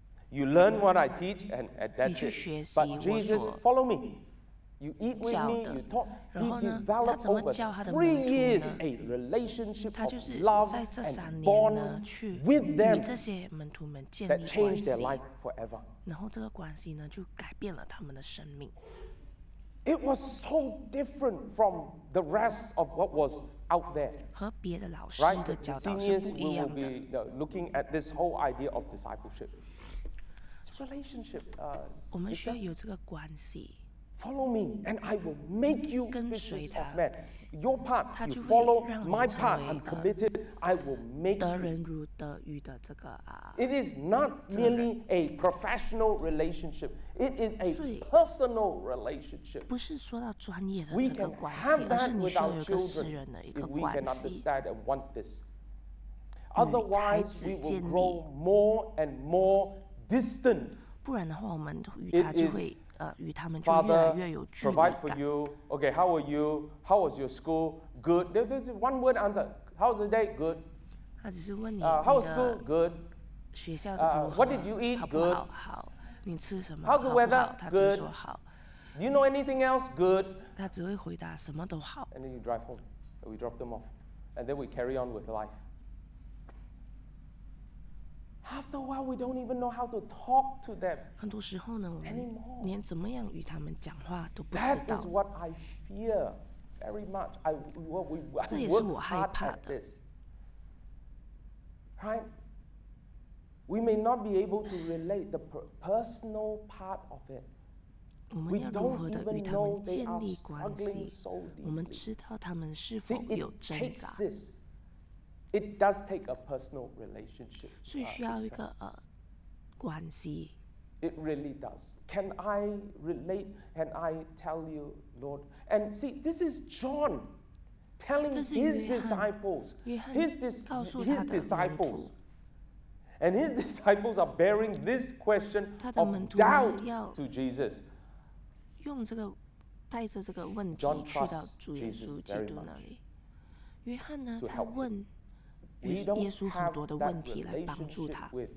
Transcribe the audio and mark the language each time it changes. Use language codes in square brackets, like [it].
[en] You learn what I teach, and that's it. But Jesus, follow me. You eat with me. You talk. He developed over 3 years a relationship of love and bond with them that changed their life forever. [zh] 然后这个关系呢，就改变了他们的生命。 [en] It was so different from the rest of what was out there. [zh] 和别的老师的教导是不一样的。 [en] We will be looking at this whole idea of discipleship. It's relationship. [zh] 我们需要有这个关系。 [en] Follow me, and I will make you fishers of men. Your part, you follow my part. I'm committed. I will make you. [zh] 得人如得鱼的这个啊。 [en] It is not merely a professional relationship. It is a personal relationship. [zh] 不是说到专业的这个关系，而是你需要有个私人的一个关系。 [en] We can have that with our children if we can understand and want this. Otherwise, we will grow more and more distant. [zh] 不然的话，我们与他就会。与他们就越来越有距离感。 [en] Father, provide for you. Okay, how are you? How was your school? Good. There's one word answer. How's the day? Good. [zh] 他只是问你。 [en] How was school? Good. [zh] 学校如何？ [en] What did you eat? Good. [zh] 好，你吃什么？ [en] How's the weather? [zh] 他只会说好。 [en] Do you know anything else? Good. [zh] 他只会回答什么都好。 [en] And then you drive home. And we drop them off. And then we carry on with life. After a while, we don't even know how to talk to them. [zh] 很多时候呢，我们连怎么样与他们讲话都不知 [en] 道。That is what I fear very much. I work hard at this. Right? We may not be able to relate the personal part of it. [zh] 我们要如何的与他们建立关系？我们知道他们是否有挣扎。 [en] It does take a personal relationship. [zh] 所以需要一个关系。 [en] It really does. Can I relate? Can I tell you, Lord? And see, this is John telling his disciples, his disciples, and his disciples are bearing this question of doubt to Jesus. [zh] 用这个带着这个问题去到主耶稣基督那里。约翰呢，他问。耶稣很多的问题来帮助他。